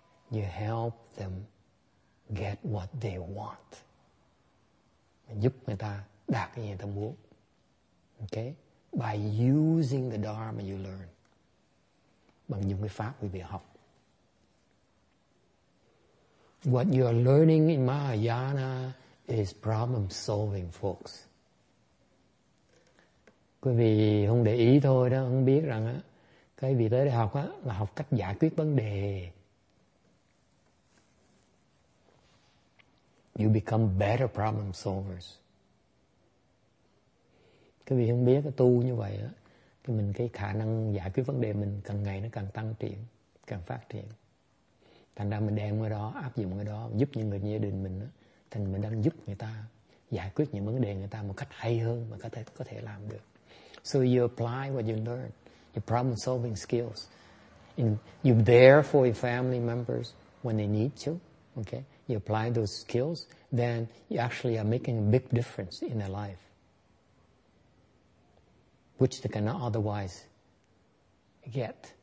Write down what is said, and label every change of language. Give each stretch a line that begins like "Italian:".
English: You help them get what they want.
Vietnamese: Mình giúp người ta đạt cái gì người ta muốn. Okay.
English: By using the Dharma you learn.
Vietnamese: Bằng những cái pháp quý vị học.
English: What you are learning in Mahayana is problem solving, folks.
Vietnamese: Quý vị không để ý thôi đó, không biết rằng á, cái vị tới đây học á, là học cách giải quyết vấn đề.
English: You become better problem solvers.
Vietnamese: Cái vì không biết cái tu như vậy á, cái mình cái khả năng giải quyết vấn đề mình càng ngày nó càng tăng triển, càng phát triển. Thành ra mình đem cái đó, áp dụng cái đó, giúp những người gia đình mình á, thành mình đang giúp người ta giải quyết những vấn đề người ta một cách hay hơn mà có thể làm được.
English: So you apply what you learn, your problem solving skills, and you're there for your family members when they need to. Okay, you apply those skills, then you actually are making a big difference in their life, which they cannot otherwise get.